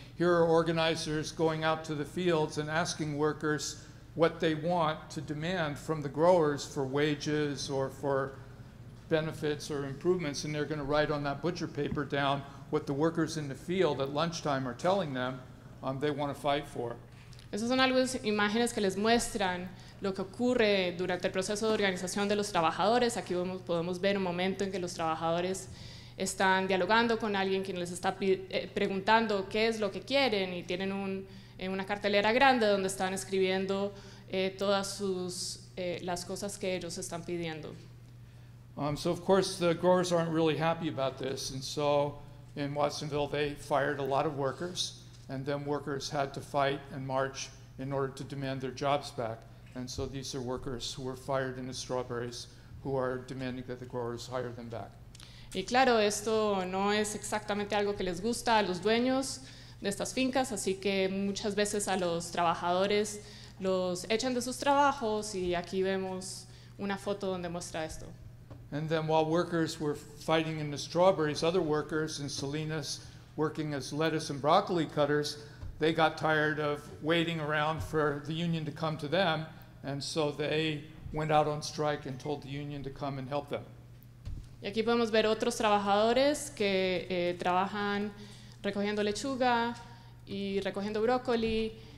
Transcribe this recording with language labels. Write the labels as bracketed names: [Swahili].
[English] Here are organizers going out to the fields and asking workers what they want to demand from the growers for wages or for benefits or improvements, and they're going to write on that butcher paper down what the workers in the field at lunchtime are telling them they want to fight for. [Spanish] Esas son algunas imágenes que les muestran lo que ocurre durante el proceso de organización de los trabajadores. Aquí podemos ver un momento en que los trabajadores están dialogando con alguien quien les está preguntando qué es lo que quieren, y tienen una cartelera grande donde están escribiendo todas sus las cosas que ellos están pidiendo. [English] So of course the growers aren't really happy about this, and so in Watsonville they fired a lot of workers, and then workers had to fight and march in order to demand their jobs back. And so these are workers who were fired in the strawberries who are demanding that the growers hire them back. [Spanish] Y claro, esto no es exactamente algo que les gusta a los dueños de estas fincas, así que muchas veces a los trabajadores los echan de sus trabajos, y aquí vemos una foto donde muestra esto. [English] And then while workers were fighting in the strawberries, other workers in Salinas working as lettuce and broccoli cutters, they got tired of waiting around for the union to come to them, and so they went out on strike and told the union to come and help them. [Spanish] Y aquí podemos ver otros trabajadores que trabajan recogiendo lechuga y recogiendo brócoli.